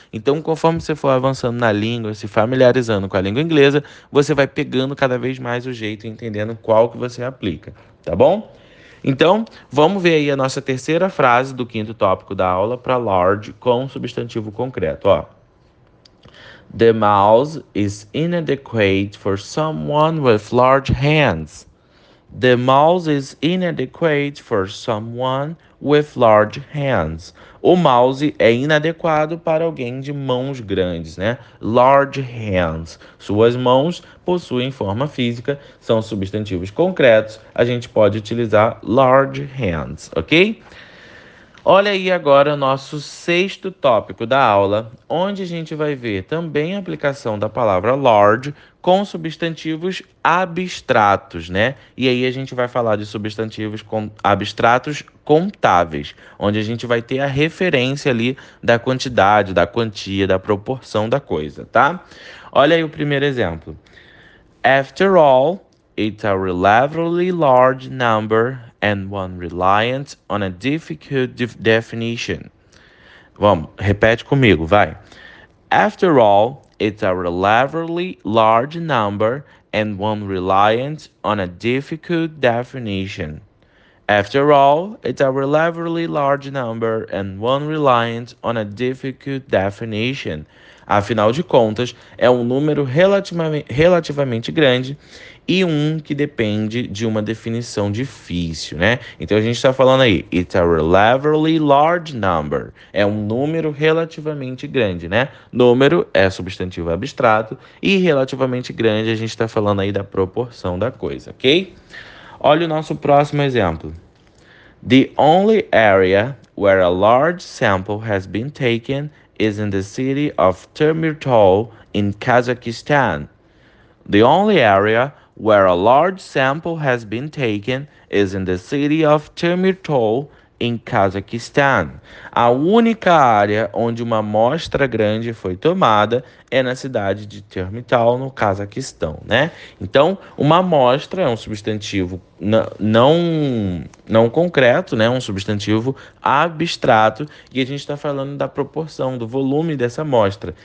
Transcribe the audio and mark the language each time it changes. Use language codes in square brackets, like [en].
[pt] Então, conforme você for avançando na língua, se familiarizando com a língua inglesa, você vai pegando cada vez mais o jeito e entendendo qual que você aplica, tá bom? Então, vamos ver aí a nossa terceira frase do quinto tópico da aula para large com substantivo concreto, ó. [en] The mouse is inadequate for someone with large hands. The mouse is inadequate for someone with large hands. [pt] O mouse é inadequado para alguém de mãos grandes, né? Large hands. Suas mãos possuem forma física, são substantivos concretos. A gente pode utilizar large hands, ok? Olha aí agora o nosso sexto tópico da aula, onde a gente vai ver também a aplicação da palavra large com substantivos abstratos, né? E aí a gente vai falar de substantivos abstratos contáveis, onde a gente vai ter a referência ali da quantidade, da quantia, da proporção da coisa, tá? Olha aí o primeiro exemplo. [en] After all, it's a relatively large number and one reliant on a difficult definition. [pt] Vamos, repete comigo, vai. [en] After all, it's a relatively large number and one reliant on a difficult definition. After all, it's a relatively large number and one reliant on a difficult definition. [pt] Afinal de contas, é um número relativamente grande e um que depende de uma definição difícil, né? Então, a gente está falando aí, [en] it's a relatively large number. [pt] É um número relativamente grande, né? Número é substantivo abstrato e relativamente grande, a gente está falando aí da proporção da coisa, ok? Olha o nosso próximo exemplo. [en] The only area where a large sample has been taken is in the city of Temirtau in Kazakhstan. The only area where a large sample has been taken is in the city of Temirtau in Kazakhstan. [pt] A única área onde uma amostra grande foi tomada é na cidade de Temirtau, no Cazaquistão, né? Então, uma amostra é um substantivo não concreto, né? Um substantivo abstrato, e a gente está falando da proporção, do volume dessa amostra.